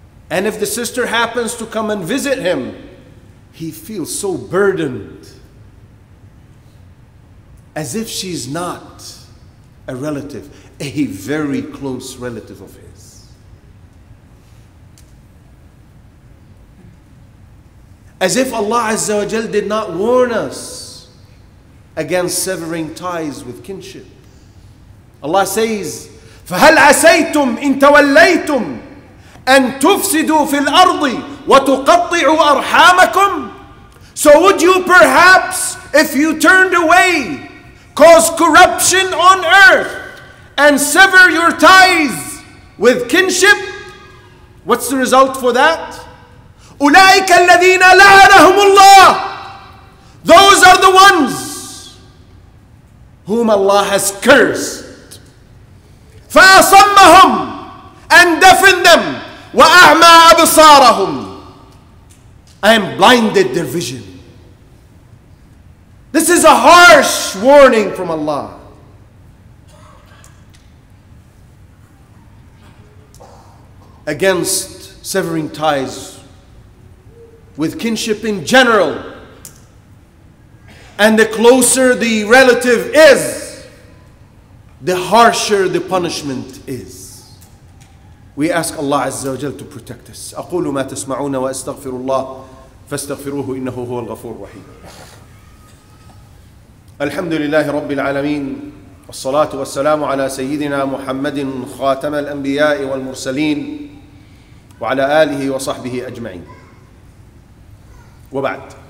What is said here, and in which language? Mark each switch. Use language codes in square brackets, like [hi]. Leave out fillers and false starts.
[en] And if the sister happens to come and visit him, he feels so burdened, as if she's not a relative, a very close relative of his. As if Allah Azza wa Jal did not warn us against severing ties with kinship. Allah says, [ar] فَهَلْ عَسَيْتُمْ إِن تَوَلَّيْتُمْ أَن تُفْسِدُوا فِي الْأَرْضِ وَتُقَطِّعُوا أَرْحَامَكُمْ. [en] So would you perhaps, if you turned away, cause corruption on earth and sever your ties with kinship? What's the result for that? [ar] أُولَٰئِكَ الَّذِينَ لَعَنَهُمُ اللَّهُ. [en] Those are the ones whom Allah has cursed. [ar] فَأَصَمَّهُمْ, [en] and deafened them. [ar] وَأَعْمَىٰ أَبْصَارَهُمْ, [en] and blinded their vision. This is a harsh warning from Allah. Against severing ties with kinship in general. And the closer the relative is, the harsher the punishment is. We ask Allah Azza wa Jalla to protect us. [ar] أقول ما تسمعون وأستغفر الله فاستغفروه إنه هو الغفور الرحيم. الحمد لله رب العالمين والصلاة والسلام على سيدنا محمد خاتم الأنبياء والمرسلين وعلى آله وصحبه أجمعين وبعد.